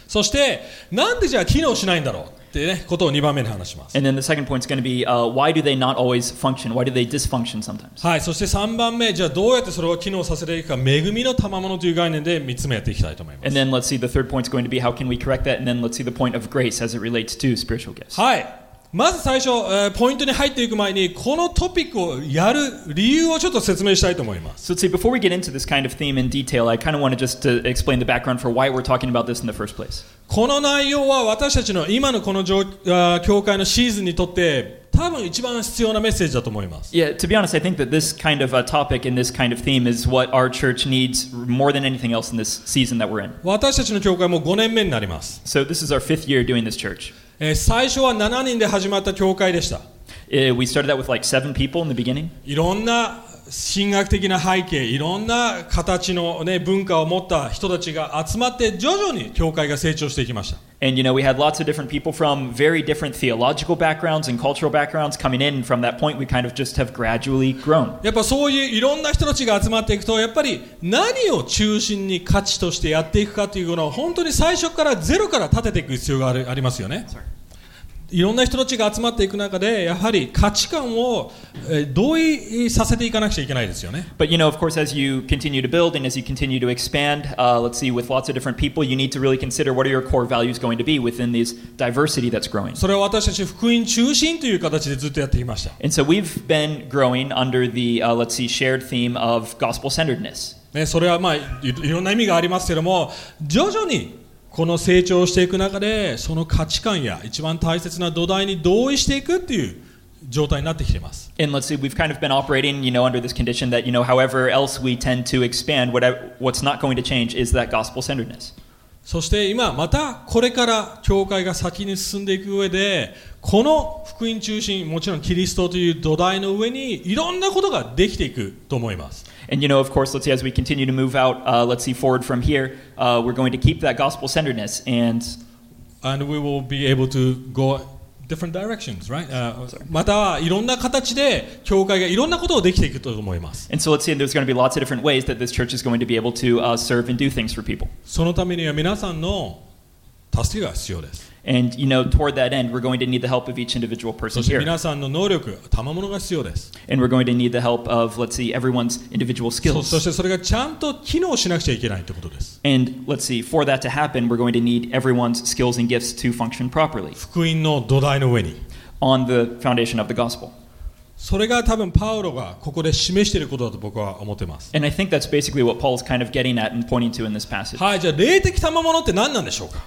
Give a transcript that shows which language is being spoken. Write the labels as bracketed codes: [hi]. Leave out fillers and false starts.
[ja] そしてなんでじゃあ機能しないんだろうってね、ことを2番目に話します。 [en] And then the second point is going to be, why do they not always function? Why do they dysfunction sometimes? [ja] はい、そして3番目、じゃあどうやってそれを機能させていくか、恵みの賜物という概念で3つ目やっていきたいと思います。 [en] And then let's see, the third point is going to be, how can we correct that? And then let's see the point of grace as it relates to spiritual gifts. [ja] はい、まず最初、ポイントに入っていく前に、このトピックをやる理由をちょっと説明したいと思います。 [en] So let's see, before we get into this kind of theme in detail, I kind of want to just to explain the background for why we're talking about this in the first place. [ja] この内容は私たちの今のこの教会のシーズンにとって、多分一番必要なメッセージだと思います。 [en] Yeah, to be honest, I think that this kind of a topic and this kind of theme is what our church needs more than anything else in this season that we're in. [ja] 私たちの教会も5年目になります。 [en] So this is our fifth year doing this church. [ja] 最初は7人で始まった教会でした。 [en] We started out with like 7 people in the beginning. [ja] いろんな神学的な背景、いろんな形の、ね、文化を持った人たちが集まって、徐々に教会が成長していきました。 [en] And you know, we had lots of different people from very different theological backgrounds and cultural backgrounds coming in. And from that point, we kind of just have gradually grown. [ja] やっぱそういういろんな人たちが集まっていくと、やっぱり何を中心に価値としてやっていくかというものを本当に最初からゼロから立てていく必要がありますよね。 [en] Sorry. [ja] いろんな人たちが集まっていく中で、やはり価値観を同意させていかなくちゃいけないですよね。 [en] But you know, of course, as you continue to build and as you continue to expand, let's see, with lots of different people, you need to really consider what are your core values going to be within this diversity that's growing. [ja] それは私たち福音中心という形でずっとやってきました。 [en] And so we've been growing under the, let's see, shared theme of gospel-centeredness. [ja] ね、それはまあ、いろんな意味がありますけども、徐々にこの成長していく中で、その価値観や一番大切な土台に同意していくっていう状態になってきています。 [en] And let's see, we've kind of been operating, you know, under this condition that, you know, however else we tend to expand, what's not going to change is that gospel-centeredness. [ja] そして今またこれから教会が先に進んでいく上でこの福音中心もちろんキリストという土台の上にいろんなことができていくと思います。 [en] And you know, of course, let's see as we continue to move out, let's see forward from here, we're going to keep that gospel centeredness and we will be able to go different directions, right? [ja] またいろんな形で教会がいろんなことをできていくと思います。 [en] And so let's see, and there's going to be lots of different ways that this church is going to be able to serve and do things for people. [ja] そのためには皆さんの助けが必要です。 [en] And you know, toward that end, we're going to need the help of each individual person here. [ja] そして皆さんの能力、賜物が必要です。 [en] And we're going to need the help of, let's see, everyone's individual skills. [ja] そしてそれがちゃんと機能しなくちゃいけないってことです。 [en] And let's see, for that to happen, we're going to need everyone's skills and gifts to function properly. [ja] 福音の土台の上に。 [en] On the foundation of the gospel. [ja] それが多分パウロがここで示していることだと僕は思ってます。 [en] And I think that's basically what Paul's kind of getting at and pointing to in this passage. [ja] はい、じゃあ霊的賜物って何なんでしょうか?